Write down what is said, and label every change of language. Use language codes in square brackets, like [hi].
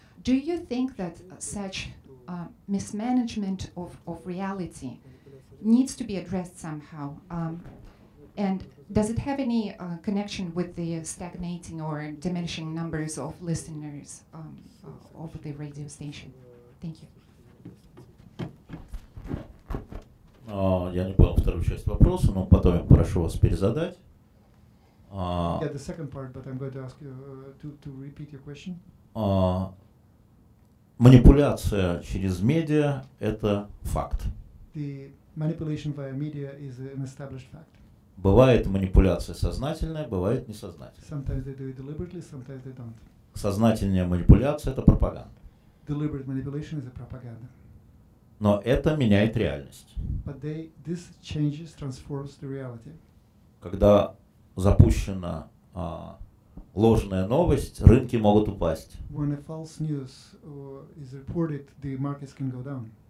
[en] Do you think that such mismanagement of reality needs to be addressed somehow? And does it have any connection with the stagnating or diminishing numbers of listeners of the radio station? Thank you. [ru] Я не понял вторую часть вопроса, но потом я прошу вас перезадать. [en] The second part, but I'm going to ask you to repeat your question. [ru] Манипуляция через медиа – это факт. [en] The manipulation via media is an established fact. [ru] Бывает манипуляция сознательная, бывает несознательная. [en] Sometimes they do it deliberately, sometimes they don't. [ru] Сознательная манипуляция – это пропаганда. [en] Deliberate manipulation is a propaganda. [ru] Но это меняет реальность. [en] But this changes, transforms the reality. [ru] Когда запущена ложная новость, рынки могут упасть. [en] When a false news is reported, the markets can go down.